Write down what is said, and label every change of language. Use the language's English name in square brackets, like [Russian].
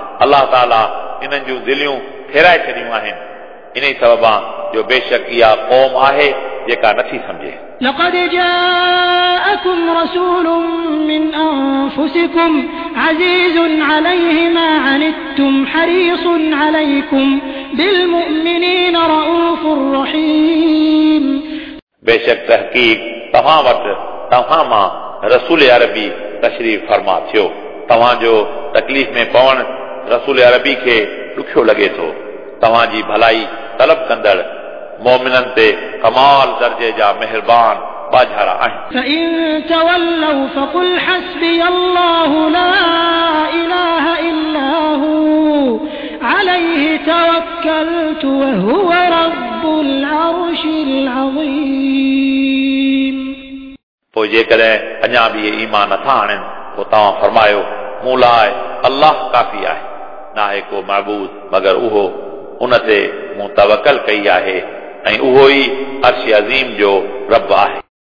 [Sindhi] अल्लाह ताला इन्हनि जूं दिलियूं फेराए छॾियूं आहिनि इन सबब सां जो बेशक इहा क़ौम आहे जेका नथी सम्झे। [Arabic] لقد جاءكم رسول من انفسكم عزيز عليه ما عنتم حريص عليكم بالمؤمنين رؤوف رحيم [Sindhi] बेशक तहक़ीक़ तव्हां वटि तव्हां मां रसूल अरबी तशरीफ़ फरमा थियो, तव्हांजो तकलीफ़ में पवण रसूल अरबी खे ॾुखियो लॻे थो। तव्हांजी भलाई तलब कंदड़ मोमिननि ते कमाल दर्जे जा महिरबान बाझारा आहिनि। [Arabic] توكلت وهو رب العرش العظيم [Sindhi] پوجي ڪري اڃا بي ايمان نٿا آڻن ڪو تا فرمايو مولا الله کافي آهي ناهي ڪو معبود مگر اهو ان تي مون توکل ڪئي آهي ۽ اهو ئي عرش عظيم جو رب آهي